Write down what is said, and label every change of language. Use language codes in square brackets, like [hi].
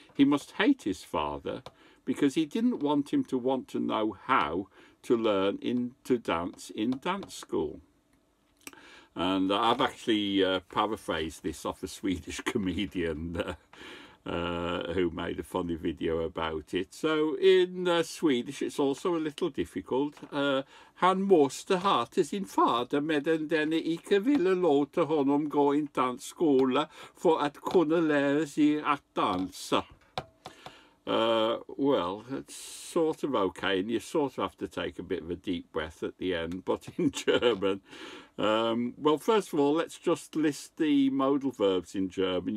[en] He must hate his father because he didn't want him to want to know how to learn to dance in dance school. And I've actually paraphrased this off a Swedish comedian who made a funny video about it. So in Swedish, it's also a little difficult. [sv] Han måste hata sin fader medan denne icke ville låta honom gå i dansskola för att kunna lära sig att dansa. [en] Well, it's sort of okay, and you sort of have to take a bit of a deep breath at the end, but in German, well, first of all, let's just list the modal verbs in German.